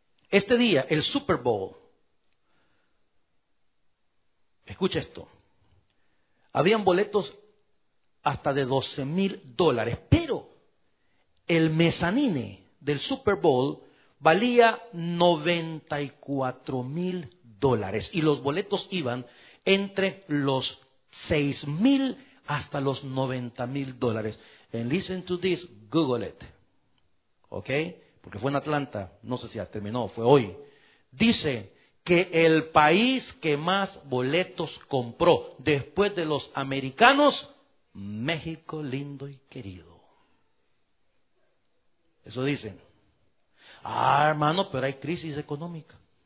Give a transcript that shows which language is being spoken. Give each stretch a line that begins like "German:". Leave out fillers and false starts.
Spanish: Este día, el Super Bowl, escucha esto, habían boletos hasta de $12,000, pero el mezanine del Super Bowl valía $94,000 y los boletos iban entre los $6,000 hasta los $90,000.
English: And listen to this, Google it.
Spanish: ¿Ok? Porque fue en Atlanta, no sé si ya terminó, fue hoy. Dice que el país que más boletos compró después de los americanos, México lindo y querido. Eso dicen. Ah, hermano, pero hay crisis económica.